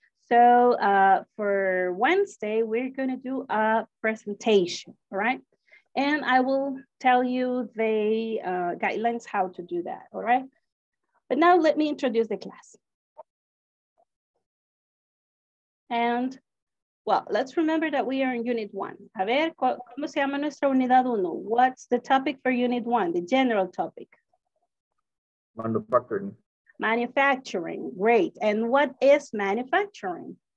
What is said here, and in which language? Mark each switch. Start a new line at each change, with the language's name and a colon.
English: So for Wednesday, we're gonna do a presentation, all right? And I will tell you the guidelines how to do that, all right? But now let me introduce the class. And well, let's remember that we are in unit one.
Spanish: A ver, ¿cómo se llama nuestra unidad uno?
English: What's the topic for unit one, the general topic? Manufacturing. Manufacturing, great. And what is manufacturing?